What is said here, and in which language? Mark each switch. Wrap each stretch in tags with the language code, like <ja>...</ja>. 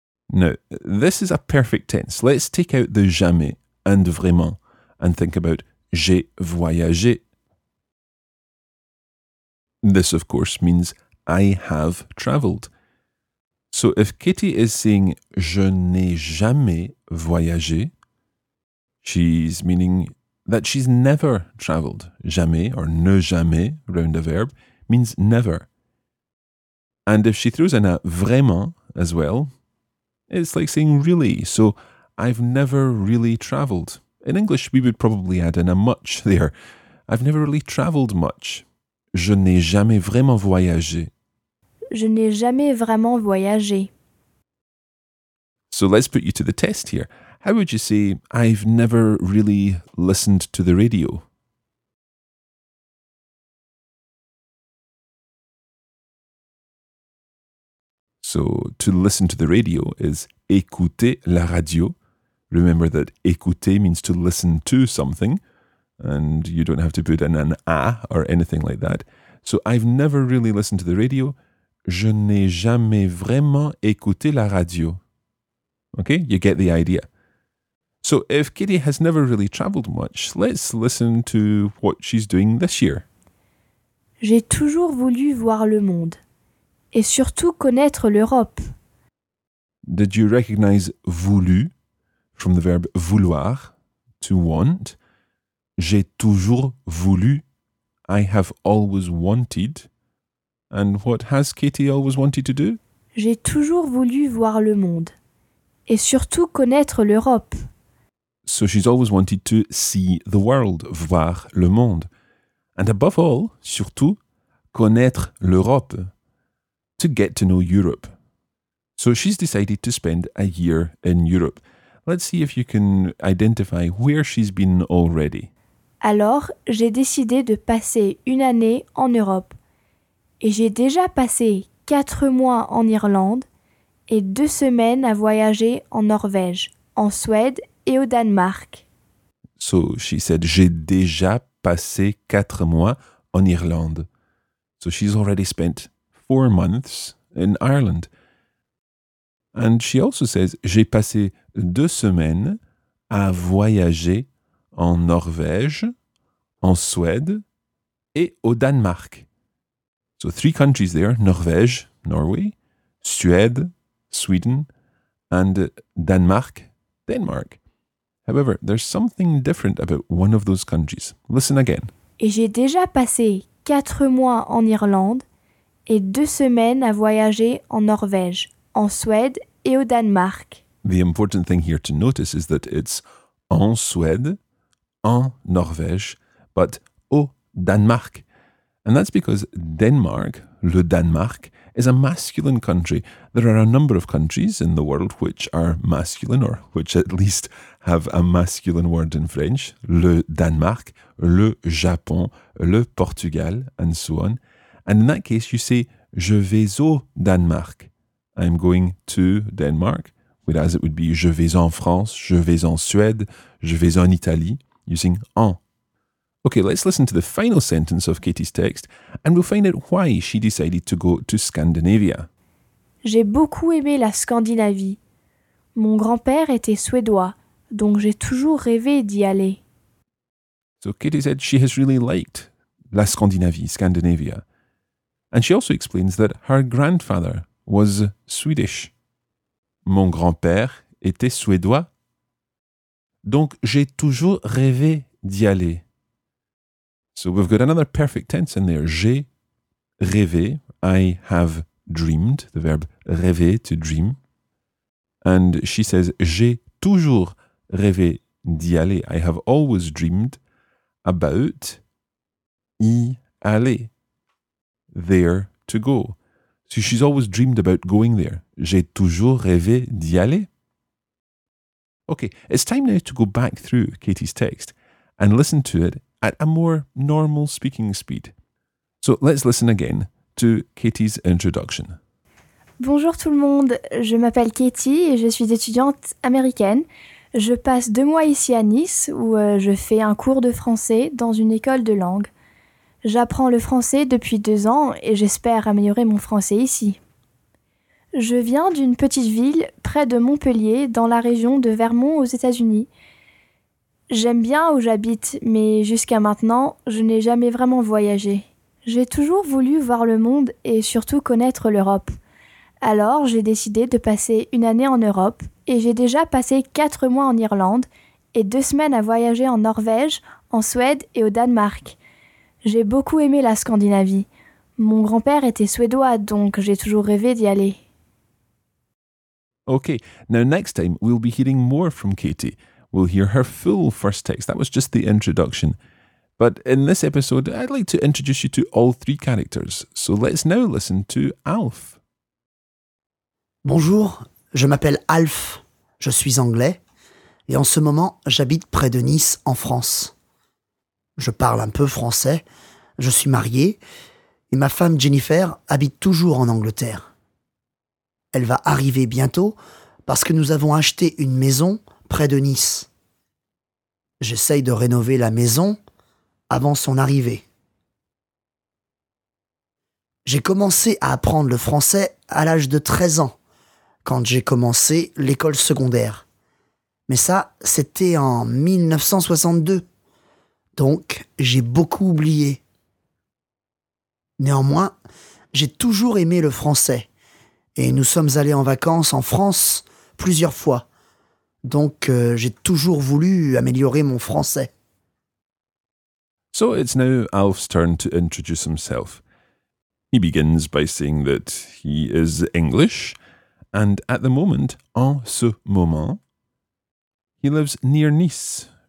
<en>Now, this is a perfect tense. Let's take out the jamais and vraiment and think about</en> <fr>j'ai voyagé.</fr> <en>This, of course, means I have travelled. So if Katie is saying</en> <fr>je n'ai jamais voyagé,</fr> <en>she's meaning that she's never travelled. Jamais or</en> <fr>ne jamais</fr> <en>round a verb means never. And if she throws in a vraiment as well, it's like saying really, so I've never really travelled. In English, we would probably add in a much there. I've never really travelled much.</en> <fr>Je n'ai jamais vraiment voyagé. Je n'ai jamais vraiment voyagé.</fr> <en>So let's put you to the test here. How would you say, I've never really listened to the radio? So, to listen to the radio is</en> <fr>écouter la radio.</fr> <en>Remember that écouter means to listen to something, and you don't have to put in an a or anything like that. So, I've never really listened to the radio.</en> <fr>Je n'ai jamais vraiment écouté la radio.</fr> <en>Okay, you get the idea. So, if Kitty has never really traveled much, let's listen to what she's doing this year.</en> <fr>J'ai toujours voulu voir le monde. Et surtout connaître l'Europe.</fr> <en>Did you recognize voulu from the verb vouloir, to want?</en> <fr>J'ai toujours voulu.</fr> <en>I have always wanted. And what has Katie always wanted to do?</en> <fr>J'ai toujours voulu voir le monde. Et surtout connaître l'Europe.</fr> <en>So she's always wanted to see the world,</en> <fr>voir le monde.</fr> <en>And above all, surtout,</en> <fr>connaître l'Europe.</fr> <en>To get to know Europe. So she's decided to spend a year in Europe. Let's see if you can identify where she's been already.</en> <fr>Alors, j'ai décidé de passer une année en Europe. Et j'ai déjà passé 4 mois en Irlande et 2 semaines à voyager en Norvège, en Suède et au Danemark.</fr> <en>So she said,</en> <fr>j'ai déjà passé 4 mois en Irlande.</fr> <en>So she's already spent 4 months in Ireland. And she also says,</en> <fr>j'ai passé 2 semaines à voyager en Norvège, en Suède et au Danemark.</fr> <en>So 3 countries there, Norvège, Norway, Suède, Sweden, and Danemark, Denmark. However, there's something different about one of those countries. Listen again.</en> <fr>Et j'ai déjà passé 4 mois en Irlande, et 2 semaines à voyager en Norvège, en Suède et au Danemark.</fr> <en>The important thing here to notice is that it's</en> <fr>en Suède, en Norvège,</fr> <en>but</en> <fr>au Danemark.</fr> <en>And that's because Denmark,</en> <fr>le Danemark,</fr> <en>is a masculine country. There are a number of countries in the world which are masculine, or which at least have a masculine word in French,</en> <fr>le Danemark, le Japon, le Portugal,</fr> <en>and so on. And in that case, you say,</en> <fr>je vais au Danemark.</fr> <en>I'm going to Denmark. Whereas it would be,</en> <fr>je vais en France, je vais en Suède, je vais en Italie,</fr> <en>using en. Okay, let's listen to the final sentence of Katie's text, and we'll find out why she decided to go to Scandinavia.</en> <fr>J'ai beaucoup aimé la Scandinavie. Mon grand-père était suédois, donc j'ai toujours rêvé d'y aller.</fr> <en>So Katie said she has really liked</en> <fr>la Scandinavie,</fr> <en>Scandinavia. And she also explains that her grandfather was Swedish.</en> <fr>Mon grand-père était suédois. Donc, j'ai toujours rêvé d'y aller.</fr> <en>So we've got another perfect tense in there.</en> <fr>J'ai rêvé.</fr> <en>I have dreamed. The verb rêver, to dream. And she says,</en> <fr>j'ai toujours rêvé d'y aller.</fr> <en>I have always dreamed about</en> <fr>y aller.</fr> <en>There to go. So she's always dreamed about going there.</en> <fr>J'ai toujours rêvé d'y aller.</fr> <en>Okay, it's time now to go back through Katie's text and listen to it at a more normal speaking speed. So let's listen again to Katie's introduction.</en> <fr>Bonjour tout le monde, je m'appelle Katie et je suis étudiante américaine. Je passe 2 mois ici à Nice où je fais un cours de français dans une école de langue. J'apprends le français depuis 2 ans et j'espère améliorer mon français ici. Je viens d'une petite ville près de Montpellier, dans la région de Vermont aux États-Unis. J'aime bien où j'habite, mais jusqu'à maintenant, je n'ai jamais vraiment voyagé. J'ai toujours voulu voir le monde et surtout connaître l'Europe. Alors, j'ai décidé de passer 1 année en Europe et j'ai déjà passé 4 mois en Irlande et 2 semaines à voyager en Norvège, en Suède et au Danemark. J'ai beaucoup aimé la Scandinavie. Mon grand-père était suédois, donc j'ai toujours rêvé d'y aller.</fr> <en>Okay, now next time we'll be hearing more from Katie. We'll hear her full first text. That was just the introduction. But in this episode, I'd like to introduce you to all 3 characters. So let's now listen to Alf.</en> <fr>Bonjour, je m'appelle Alf. Je suis anglais. Et en ce moment, j'habite près de Nice, en France. Je parle un peu français. Je suis marié. Et ma femme Jennifer habite toujours en Angleterre. Elle va arriver bientôt parce que nous avons acheté une maison près de Nice. J'essaye de rénover la maison avant son arrivée. J'ai commencé à apprendre le français à l'âge de 13 ans, quand j'ai commencé l'école secondaire. Mais ça, c'était en 1962. Donc, j'ai beaucoup oublié. Néanmoins, j'ai toujours aimé le français. Et nous sommes allés en vacances en France plusieurs fois. Donc, j'ai toujours voulu améliorer mon français.</fr> <en>So it's now Alf's turn to introduce himself. He begins by saying that he is English, and at the moment,</en> <fr>en ce moment,</fr> <en>he lives near Nice.</en>